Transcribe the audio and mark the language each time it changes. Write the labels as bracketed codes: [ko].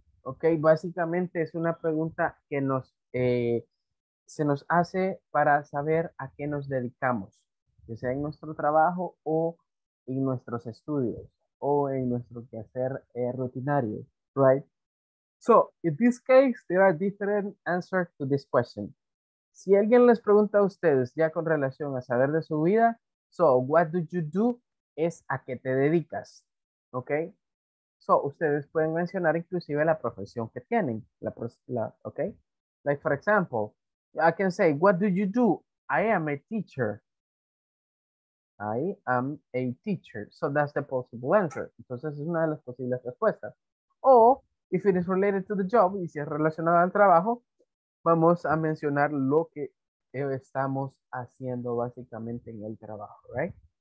[es] Okay, básicamente es una pregunta que nos se nos hace para saber a qué nos dedicamos, ya sea en nuestro trabajo o en nuestros estudios o en nuestro quehacer rutinario, [en] right? So, in this case, there are different answers to this question. [es] Si alguien les pregunta a ustedes ya con relación a saber de su vida, [en] so what do you do [es] es a qué te dedicas, ¿ok? So ustedes pueden mencionar inclusive la profesión que tienen, ¿ok? [en] Like for example, I can say, what do you do? I am a teacher. I am a teacher. So that's the possible answer. [es] Entonces es una de las posibles respuestas. O [en] if it is related to the job, [es] y si es relacionado al trabajo, vamos a mencionar lo que estamos haciendo básicamente en el trabajo, right?